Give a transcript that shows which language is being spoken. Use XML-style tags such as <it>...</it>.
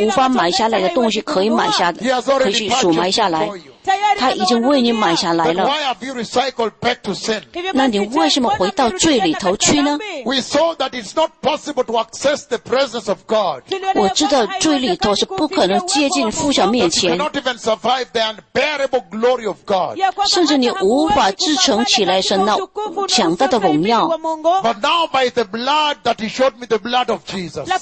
<zh>你知道耶稣的宝血是用金钱无法买下来的东西可以买下的, 可以数买下来。他已经为你买下来了。</zh> <en>Why have you recycled back to sin?</en> <zh>那你为什么回到罪里头去呢?</zh> <en>We saw that it's not possible to access the presence of God.</en> <zh>我知道罪里头是不可能接近父神面前。</zh> <en>You cannot even survive the unbearable glory of God.</en> <zh>甚至你无法支撑起来神那强大的荣耀。</zh> <en>But now by the blood that he showed me, the blood of Jesus.</en>